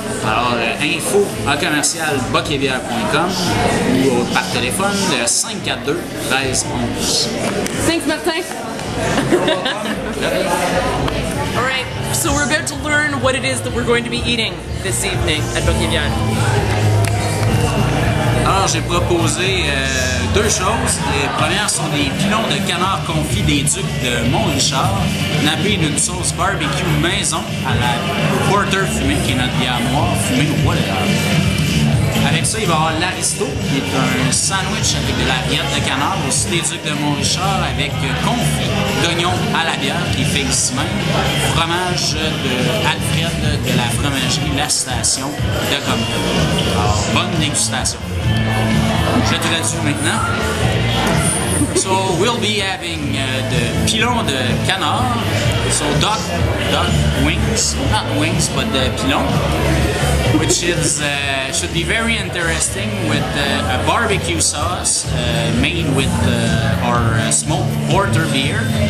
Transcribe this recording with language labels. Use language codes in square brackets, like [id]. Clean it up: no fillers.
[fr] Alors, info@boquebiere.com ou par téléphone 542-1311. [en] Thanks, Martin. You're welcome. All right, so we're about to learn what it is that we're going to be eating this evening at Boquebiere. [fr] Alors, j'ai proposé deux choses. Les premières sont des pilons de canard confit des Ducs de Mont-Richard, nappés d'une sauce barbecue maison à la porter fumée, qui est notre bière noire fumée au bois de l'arbre. Avec ça, il va y avoir l'aristo, qui est un sandwich avec de la rillette de canard, aussi des Ducs de Mont-Richard, avec confit d'oignons à la bière, qui fait ici même, fromage de Alfred de la fromagerie La Station de Comte. Alors, bonne dégustation. Je traduis maintenant. [en] So, we'll be having the pilon de canard. So, duck wings, not wings, but the pilon. Which is should be very interesting with a barbecue sauce made with our smoked porter beer.